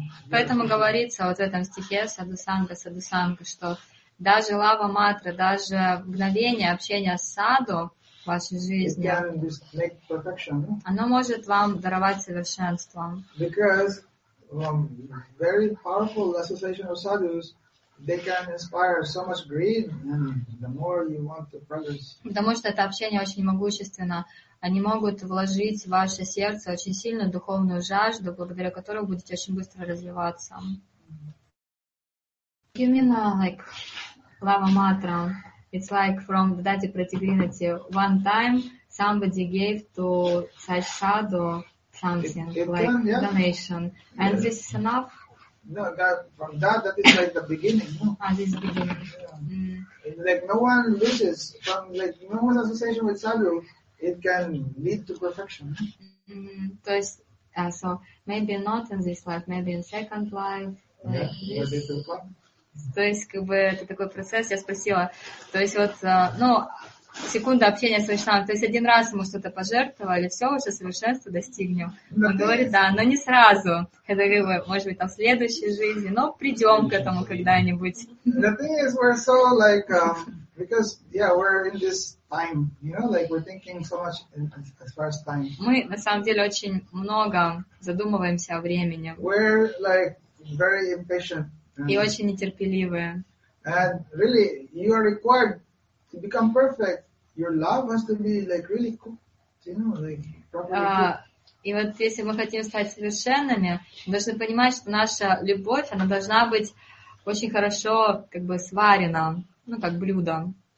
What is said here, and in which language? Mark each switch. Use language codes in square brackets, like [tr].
[ru] Поэтому говорится вот в этом стихе садусанга, что даже лава матра, даже мгновение общения с саду в вашей жизни, [en] it can just make perfection. [ru] Оно может вам даровать совершенство. [en] Because very powerful association of sadhus, they can inspire so much greed, and the more you want to progress. [ru] Потому что это общение очень могущественно. Они могут вложить в ваше сердце очень сильную духовную жажду, благодаря которой вы будете очень быстро развиваться. [en] You mean like lava matra? It's like from the Dati Pratigrinati. One time somebody gave to such sadhu something, donation. And this is enough? No, that is like the beginning. This is the beginning. Yeah. Like no one loses from like no one's association with sadhu, it can lead to perfection. [ru] То есть, [en] so maybe not in this life, maybe in second life. Yeah, [ru] то есть, как бы это такой процесс. Я спросила, то есть вот, секунда общения с Вайшнавом, то есть один раз ему что-то пожертвовали, все, уже совершенство достигнем. Но он говорит, да, но не сразу. Это, как бы, может быть, там, в следующей жизни, но придем к этому когда-нибудь. [en] The thing is, we're so, like, because, yeah, we're in this time, like, we're thinking so much as far as time. [ru] Мы, на самом деле, очень много задумываемся о времени. [en] We're, like, very impatient. [ru] И очень нетерпеливые. [en] And really, you are required to become perfect, your love has to be like really cooked, properly cooked. [ru] И вот если мы хотим стать совершенными, мы должны понимать, что наша любовь, она должна быть очень хорошо, как бы сварена, ну как блюдо.